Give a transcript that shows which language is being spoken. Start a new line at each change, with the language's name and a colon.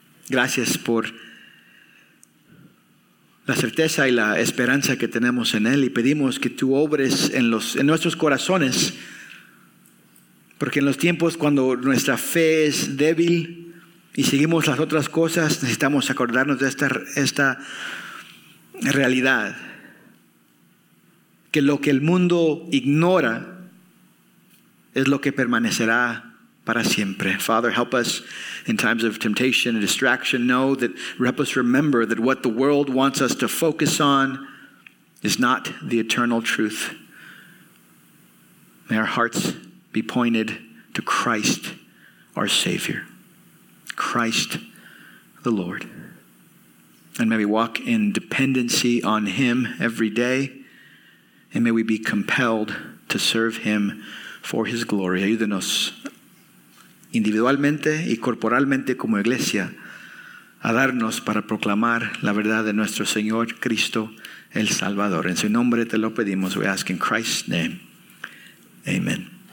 Spanish: Gracias por la certeza y la esperanza que tenemos en Él, y pedimos que tú obres en nuestros corazones, porque en los tiempos cuando nuestra fe es débil y seguimos las otras cosas, necesitamos acordarnos de esta realidad. Que lo que el mundo ignora es lo que permanecerá para siempre.
English: Father, help us in times of temptation and distraction. Know that, help us remember that what the world wants us to focus on is not the eternal truth. May our hearts be pointed to Christ, our Savior. Christ the Lord. And may we walk in dependency on Him every day. And may we be compelled to serve Him for His glory.
Spanish: Ayúdenos individualmente y corporalmente como iglesia a darnos para proclamar la verdad de nuestro Señor Cristo el Salvador. En su nombre te lo pedimos.
English: We ask in Christ's name. Amen.